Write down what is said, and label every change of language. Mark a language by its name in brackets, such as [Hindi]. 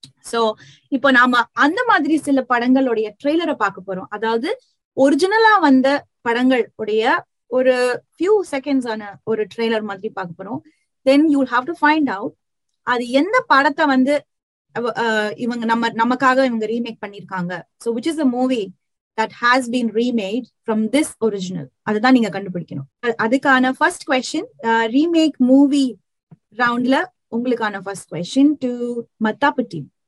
[Tamil] So இப்போ நாம அந்த மாதிரி சில படங்களுடைய ட்ரெய்லரை பார்க்க போறோம். அதாவது ஒரிஜினலா வந்த படங்களுடைய ஒரு ஃபியூ செகண்ட்ஸ் ஆன ஒரு ட்ரெய்லர் மாதிரி பார்க்க போறோம். [English] Then you'll have to find out [Tamil] அது எந்த படத்தை வந்து இவங்க நம்ம நமக்காக இவங்க ரீமேக் பண்ணிருக்காங்க. [English] So which is a movie that has been remade from this original? [Tamil] அதுதான் நீங்க கண்டுபிடிக்கணும். அதுக்கான ஃபர்ஸ்ட் க்வெஸ்சன் ரீமேக் மூவி ரவுண்ட்ல உங்களுக்கான ஃபர்ஸ்ட் க்வெஸ்சன் டு மத்தாப்பு டீம்.